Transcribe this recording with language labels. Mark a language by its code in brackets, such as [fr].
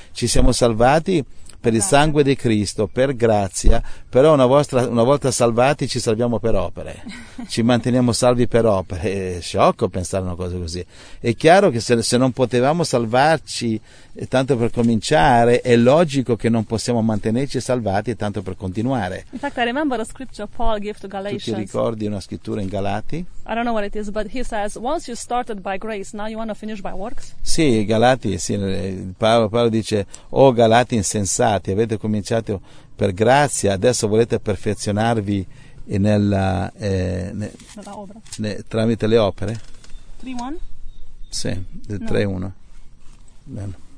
[it] Ci siamo salvati per il sangue di Cristo, per grazia, però una volta salvati ci salviamo per opere, ci manteniamo salvi per opere. È sciocco pensare una cosa così. È chiaro che se non potevamo salvarci, tanto per cominciare, è logico che non possiamo mantenerci salvati, tanto per continuare. [en] In fact, I remember the scripture Paul gave to Galatians. Tu ti ricordi una scrittura in Galati? I don't know what it is, but he says, once you started by grace, now you want to finish by works? [it] Sì, Galati, sì, Paolo dice, oh Galati insensati, avete cominciato per grazia, adesso volete perfezionarvi nella opera. Tramite le opere? 3:1? Sì, 3:1. Bene.